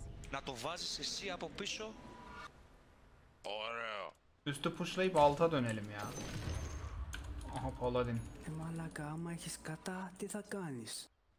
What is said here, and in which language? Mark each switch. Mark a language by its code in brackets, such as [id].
[el] Να το βάζεις εσύ από πίσω. Ωραίο. [tr] Üstü pushlayıp alta dönelim ya. Aha Paladin. [el] Malaka, άμα έχεις κατά, τι θα κάνεις.